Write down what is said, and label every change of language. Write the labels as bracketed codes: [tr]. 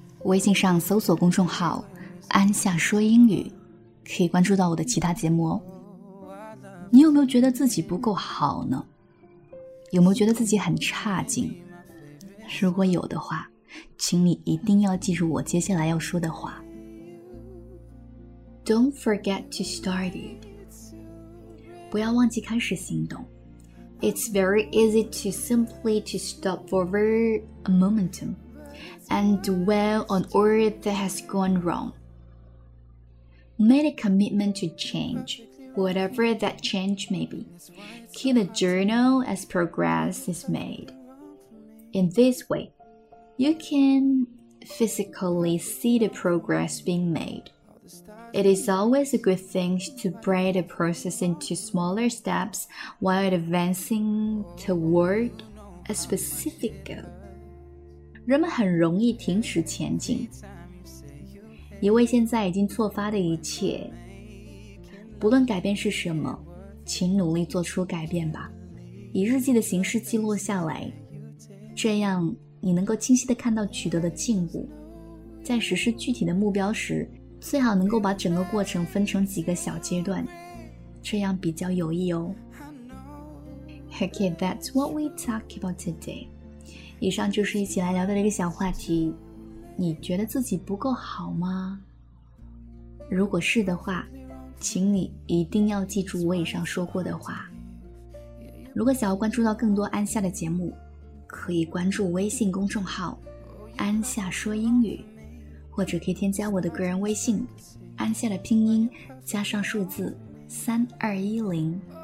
[zh] 微信上搜索公众号安夏说英语，可以关注到我的其他节目哦。你有没有觉得自己不够好呢？有没有觉得自己很差劲？如果有的话，请你一定要记住我接下来要说的话。 [en] Don't forget to start it， [zh] 不要忘记开始行动。 [en] It's very easy to simply to stop for very a momentum and dwell on all that has gone wrong. Make a commitment to change, whatever that change may be. Keep a journal as progress is made. In this way,You can physically see the progress being made. It is always a good thing to break the process into smaller steps while advancing toward a specific goal. [zh] 人们很容易停止前进，也为现在已经错发的一切。不论改变是什么，请努力做出改变吧，以日记的形式记录下来，这样你能够清晰地看到取得的进步。在实施具体的目标时，最好能够把整个过程分成几个小阶段，这样比较有益哦。 [en] Okay, that's what we talk about today. [zh] 以上就是一起来聊的一个小话题，你觉得自己不够好吗？如果是的话，请你一定要记住我以上说过的话。如果想要关注到更多安夏的节目，可以关注微信公众号安夏说英语，或者可以添加我的个人微信安夏的拼音加上数字3210。